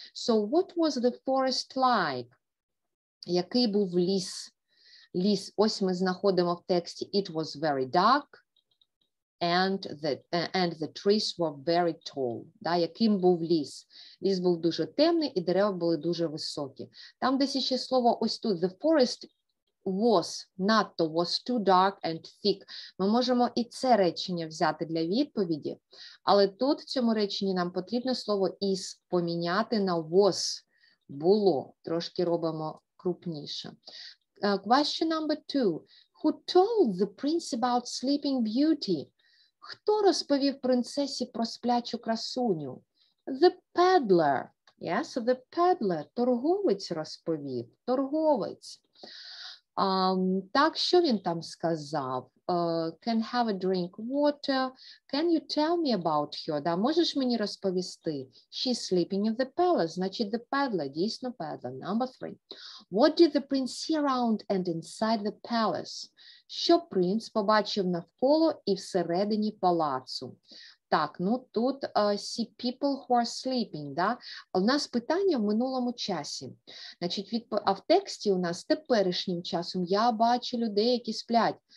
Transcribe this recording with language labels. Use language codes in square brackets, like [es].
[en] So what was the forest like? [uk] Який був ліс? Ліс, ось ми знаходимо в тексті, [en] it was very dark, And the trees were very tall. [uk] Да, яким був ліс. Ліс був дуже темний, і дерева були дуже високі. Там десь ще слово ось тут. [en] The forest was, [uk] надто, [en] was too dark and thick. [uk] Ми можемо і це речення взяти для відповіді. Але тут в цьому реченні нам потрібно слово is поміняти на was, було. Трошки робимо крупніше. [en] Question number two. Who told the prince about Sleeping Beauty? [uk] Хто розповів принцесі про сплячу красуню? [en] The peddler. Yes, the peddler. [uk] Торговець розповів. Торговець. Так, що він там сказав? [en] Can have a drink of water. Can you tell me about her? [uk] Да, можеш мені розповісти? [en] She's sleeping in the palace. [uk] Значить, [en] the peddler. Дійсно, peddler. Number three. What did the prince see around and inside the palace? [uk] Що принц побачив навколо і всередині палацу? Так, ну тут [en] see people who are sleeping, [uk] да? У нас питання в минулому часі. Значить, а в тексті у нас теперішнім часом я бачу людей, які сплять.